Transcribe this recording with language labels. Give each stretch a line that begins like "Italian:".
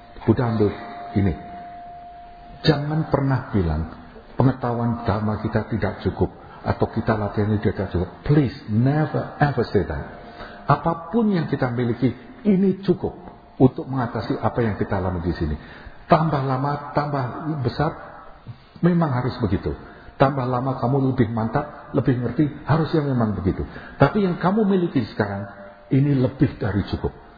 Indonesian: Buddha ambil ini, jangan pernah bilang pengetahuan dhamma kita tidak cukup atau kita latihannya tidak cukup.
English: Please never ever say that.
Indonesian: Apapun yang kita miliki, ini cukup untuk mengatasi apa yang kita alami di sini. Tambah lama, tambah besar, memang harus begitu. Tambah lama kamu lebih mantap, lebih ngerti, harusnya memang begitu. Tapi yang kamu miliki sekarang, ini lebih dari cukup.